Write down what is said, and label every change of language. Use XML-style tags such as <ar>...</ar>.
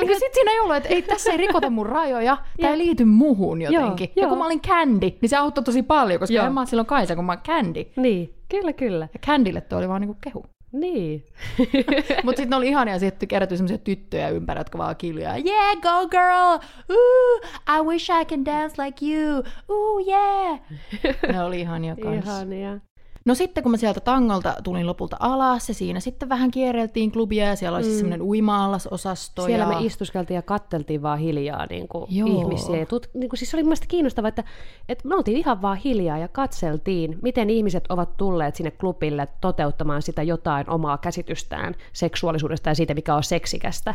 <fi>niin sit siinä ei ollut, että ei, tässä ei rikota mun rajoja, tämä ei liity muhun jotenkin. Joo. Ja kun mä olin Candy, niin se auttoi tosi paljon, koska en mä oon silloin Kaisa, kun mä oon Candy. Niin, kyllä. Ja Candylle toi oli vaan niinku kehu. Niin. Mutta sitten oli ihania, että kerätyi semmoisia tyttöjä ympärillä, jotka vaan kiljaa.</fi> <en>Yeah, go girl! Ooh, I wish I can dance like you!</en> <fi>Ooh, yeah! Ne oli ihania kans. Ihania. No sitten, kun mä sieltä tangolta tulin lopulta alas, ja siinä sitten vähän kierreltiin klubia, ja siellä oli siis semmoinen uima-allasosasto. Siellä me istuskeltiin ja katteltiin vaan hiljaa niin kuin ihmisiä. Ja niin kuin, siis oli mun mielestä kiinnostavaa, että me oltiin ihan vaan hiljaa ja katseltiin, miten ihmiset ovat tulleet sinne klubille toteuttamaan sitä jotain omaa käsitystään seksuaalisuudesta ja siitä, mikä on seksikästä.</fi>